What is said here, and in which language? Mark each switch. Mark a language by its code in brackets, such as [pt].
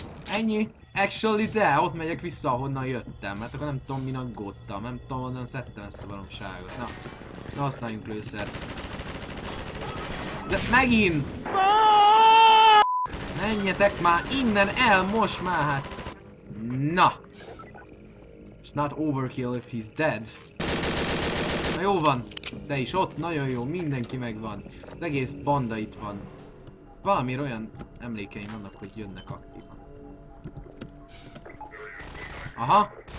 [hu] Ennyi. [en] Actually, [hu] de ott megyek vissza, ahonnan jöttem. Hát akkor nem tudom, min aggódtam. Nem tudom, honnan szedtem ezt a valóságot. Na, ne használjunk lőszert. De megint! Menjetek már innen el, most már hát. Na. [en] It's not overkill if he's dead. [hu] Na jó van. De is ott, nagyon jó, mindenki megvan. Az egész banda itt van. Valami olyan emlékeim vannak, hogy jönnek aktívan. Aha!